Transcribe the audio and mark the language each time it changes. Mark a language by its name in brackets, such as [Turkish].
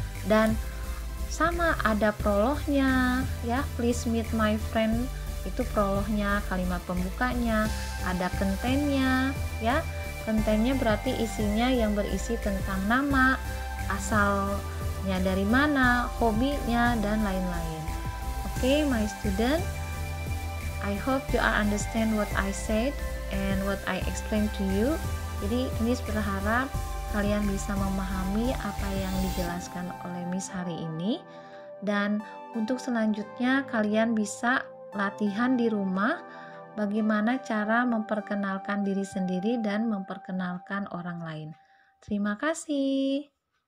[Indonesian] Dan sama ada prolognya ya, [English] "Please meet my friend," [Indonesian] itu prolognya, kalimat pembukanya. Ada kontennya ya, kontennya berarti isinya yang berisi tentang nama, asalnya dari mana, hobinya, dan lain-lain. [English] Okay, my student, I hope you are understand what I said and what I explain to you. [Indonesian] Jadi ini berharap kalian bisa memahami apa yang dijelaskan oleh Miss hari ini. Dan untuk selanjutnya kalian bisa latihan di rumah bagaimana cara memperkenalkan diri sendiri dan memperkenalkan orang lain. Terima kasih.